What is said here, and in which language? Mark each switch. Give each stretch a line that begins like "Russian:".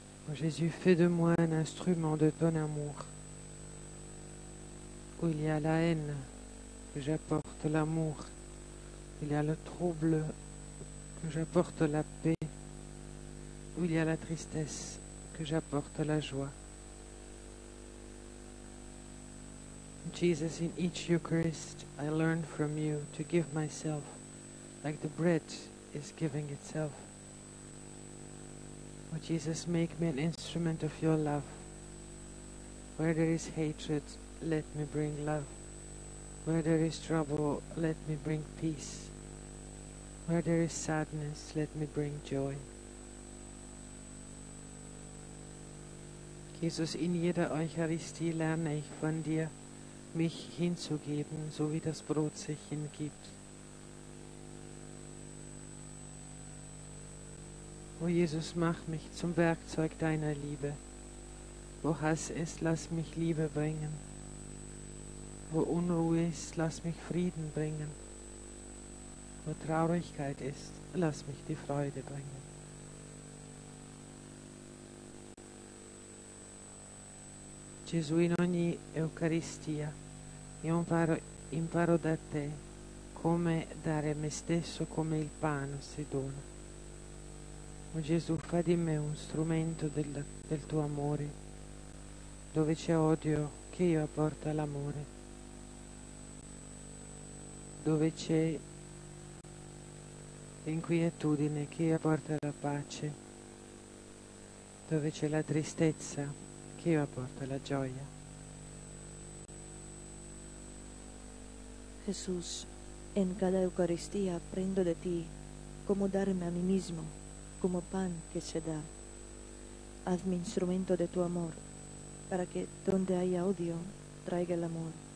French: Oh Jésus, fais de moi un instrument de ton amour. Où il y a la haine, que j'apporte l'amour. Où il y a le trouble, que j'apporte la paix. Où il y a la tristesse, que j'apporte la joie.
English: Jesus, in each Eucharist, I learn from you to give myself like the bread is giving itself. Oh Jesus, make me an instrument of your love. Where there is hatred, let me bring love. Where there is trouble, let me bring peace. Where there is sadness, let me bring joy.
German: Jesus, in jeder Eucharistie lerne ich von dir, mich hinzugeben, so wie das Brot sich hingibt. O Jesus, mach mich zum Werkzeug deiner Liebe. Wo Hass ist, lass mich Liebe bringen. Wo Unruhe ist, lass mich Frieden bringen. Wo Traurigkeit ist, lass mich die Freude bringen.
Italian: Gesù, in ogni Eucaristia, io imparo da te come dare me stesso come il pane si dona. O Gesù, fa di me un strumento del tuo amore. Dove c'è odio, che io apporta l'amore. Dove c'è inquietudine, che io apporta la pace. Dove c'è la tristezza, che io apporta la gioia.
Spanish: Jesús, en cada Eucaristía aprendo de ti cómo darme a mí mismo, como pan que se da. Hazme instrumento de tu amor, para que donde haya odio, traiga el amor.